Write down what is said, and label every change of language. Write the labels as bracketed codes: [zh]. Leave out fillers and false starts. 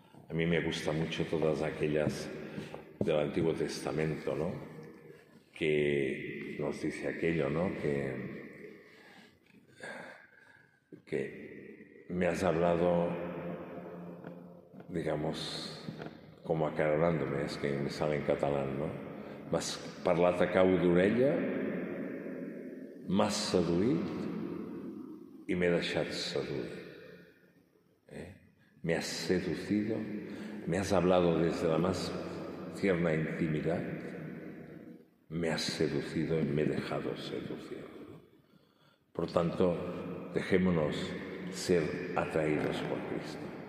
[es] A mí me gustan mucho todas aquellas del Antiguo Testamento, ¿no? Que nos dice aquello, ¿no? Que me has hablado, digamos, como acaronándome, es que me sale en catalán, ¿no? [ca] M'has parlat a cau d'orella, m'has seduït i m'he deixat seduir. [es] Me has seducido, me has hablado desde la más tierna intimidad, me has seducido y me he dejado seducir. Por tanto, dejémonos ser atraídos por Cristo.